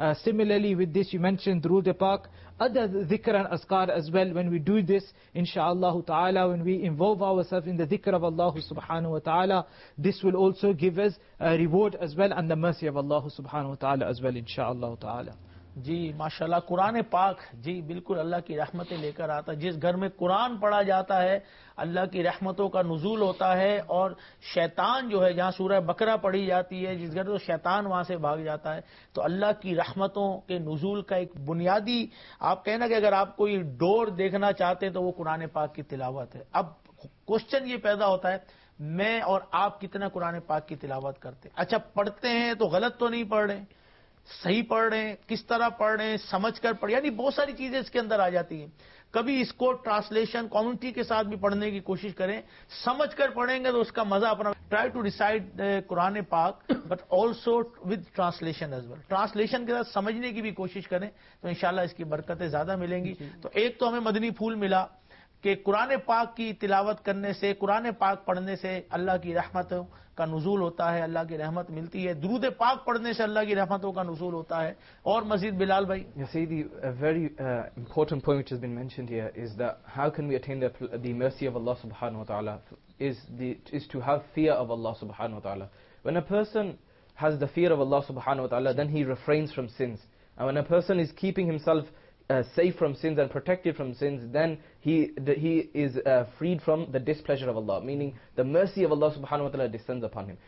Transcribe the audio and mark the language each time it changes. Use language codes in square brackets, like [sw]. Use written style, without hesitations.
[en] Similarly with this, you mentioned Durood Pak, other dhikr and azkar as well. When we do this, inshaAllah ta'ala, when we involve ourselves in the dhikr of Allah subhanahu wa ta'ala, this will also give us a reward as well and the mercy of Allah subhanahu wa ta'ala as well, inshaAllah ta'ala. [ur] جی ماشاءاللہ, قرآن پاک, جی بالکل, اللہ کی رحمتیں لے کر آتا ہے. جس گھر میں قرآن پڑھا جاتا ہے اللہ کی رحمتوں کا نزول ہوتا ہے, اور شیطان جو ہے, جہاں سورہ بقرہ پڑھی جاتی ہے جس گھر, تو شیطان وہاں سے بھاگ جاتا ہے. تو اللہ کی رحمتوں کے نزول کا ایک بنیادی, آپ کہنا کہ اگر آپ کوئی ڈور دیکھنا چاہتے ہیں تو وہ قرآن پاک کی تلاوت ہے. اب کوشچن یہ پیدا ہوتا ہے, میں اور آپ کتنا قرآن پاک کی تلاوت کرتے ہیں؟ اچھا پڑھتے ہیں تو غلط تو نہیں پڑھ رہے, صحیح پڑھ رہے ہیں, کس طرح پڑھ رہے ہیں, سمجھ کر پڑھ, یعنی بہت ساری چیزیں اس کے اندر آ جاتی ہیں. کبھی اس کو ٹرانسلیشن کمیونٹی کے ساتھ بھی پڑھنے کی کوشش کریں, سمجھ کر پڑھیں گے تو اس کا مزہ اپنا. [en] try to recite Quran پاک but also with translation as well, [ur] translation کے ساتھ سمجھنے کی بھی کوشش کریں, تو انشاءاللہ اس کی برکتیں زیادہ ملیں گی. تو ایک تو ہمیں مدنی پھول ملا کہ قرآن پاک کی تلاوت کرنے سے, قرآن پاک پڑھنے سے اللہ کی رحمتوں کا نزول ہوتا ہے, اللہ کی رحمت ملتی ہے. درود پاک پڑھنے سے اللہ کی رحمتوں کا نزول ہوتا ہے. اور مزید بلال بھائی. [en] سیدی, a very important point which has been mentioned here is that how can we attain the mercy of Allah subhanahu wa ta'ala is to have fear of Allah subhanahu wa ta'ala. When a person has the fear of Allah subhanahu wa ta'ala, then he refrains from sins. And when a person is keeping himself safe from sins and protected from sins, then he is freed from the displeasure of Allah, meaning the mercy of Allah subhanahu wa ta'ala descends upon him.